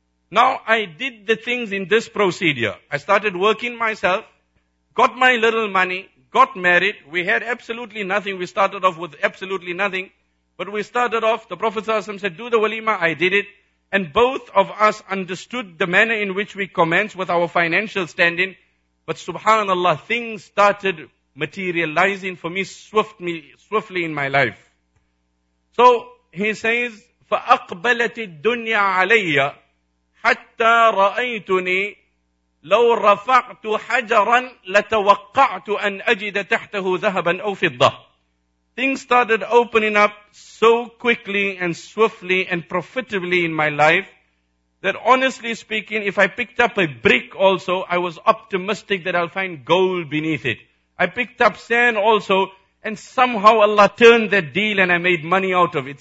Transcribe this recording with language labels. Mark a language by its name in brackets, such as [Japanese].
[English] Now, I did the things in this procedure. I started working myself, got my little money, got married, we had absolutely nothing, we started off with absolutely nothing, but we started off, the Prophet ﷺ said, do the walima, I did it, and both of us understood the manner in which we commenced with our financial standing, but subhanallah, things started materializing for me swiftly in my life. [Arabic] So, he says, فَأَقْبَلَتِ الدُّنْيَا عَلَيَّ حَتَّى رَأَيْتُنِي لَوْ رَفَعْتُ حَجَرًا لَتَوَقَّعْتُ أَنْ أَجِدَ تَحْتَهُ ذَهَبًا أَوْ فِضَّةً. [English] Things started opening up so quickly and swiftly and profitably in my life that honestly speaking, if I picked up a brick also, I was optimistic that I'll find gold beneath it. I picked up sand also, and somehow Allah turned that deal and I made money out of it.